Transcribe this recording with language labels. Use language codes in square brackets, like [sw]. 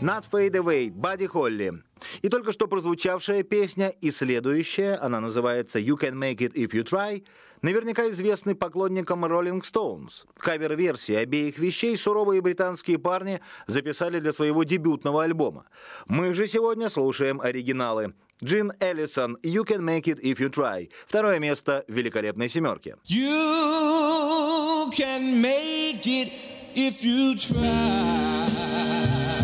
[ru] «Fade Away» Бадди Холли. И только что прозвучавшая песня и следующая, она называется «You Can Make It If You Try», наверняка известны поклонникам Rolling Stones. Кавер-версии обеих вещей суровые британские парни записали для своего дебютного альбома. Мы же сегодня слушаем оригиналы. Джин Эллисон, «You Can Make It If You Try». Второе место в «Великолепной семерке». [en] You can make it if you try.